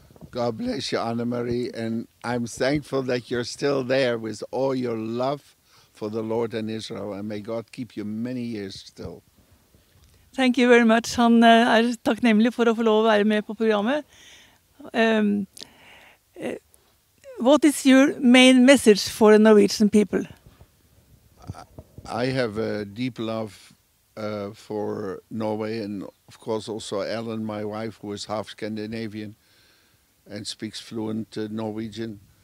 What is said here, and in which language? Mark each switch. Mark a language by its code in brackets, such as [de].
[en] God bless you, Anne-Marie, and I'm thankful that you're still there with all your love for the Lord and Israel, and may God keep you many years still. Thank you very much. [no] Han er takknemlig for å få lov å være med på programmet. [en] What is your main message for the Norwegian people? I have a deep love for Norway, and of course also Ellen, my wife, who is half Scandinavian and speaks fluent Norwegian.